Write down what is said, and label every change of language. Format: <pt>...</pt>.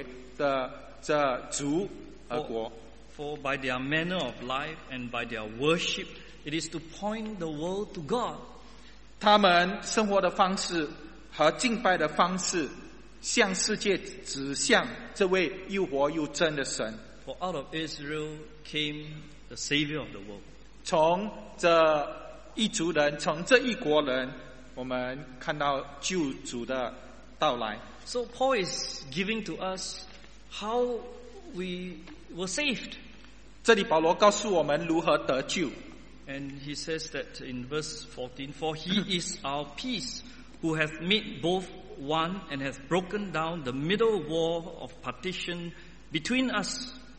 <zh>所以在这里，这段经文告诉我们，以色列人、以色列国是个特别的这族和国。</zh> <en>For by their manner of life and by their worship, it is to point the world to God.</en> <zh>他们生活的方式和敬拜的方式向世界指向这位又活又真的神。</zh> <en>For out of Israel came the Savior of the world.</en> <zh>从这一族人，从这一国人，我们看到救主的到来。</zh> <en>So Paul is giving to us how we were saved.</en> <zh>这里保罗告诉我们如何得救。</zh> <en>And he says that in verse 14, For he is our peace, who hath made both one, and hath broken down the middle wall of partition between us.</en>